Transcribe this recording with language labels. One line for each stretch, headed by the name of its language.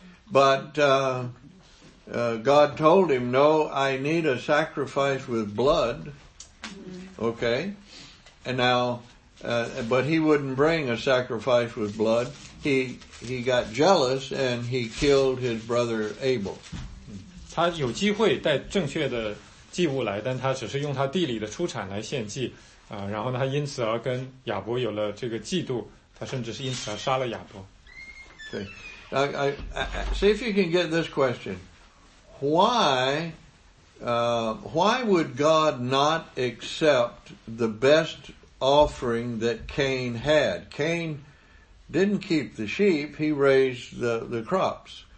English: But God told him, no, I need a sacrifice with blood, okay? And now, but he wouldn't bring a sacrifice with blood. He got jealous and he killed his brother Abel.
Chinese: 他有机会带正确的祭物来，但他只是用他地里的出产来献祭。然后呢，他因此而跟亚伯有了这个嫉妒，他甚至是因此而杀了亚伯。
English: 对 ，I see if you can get this question. Why would God not accept the best offering that Cain had? Cain didn't keep the sheep; he raised the crops.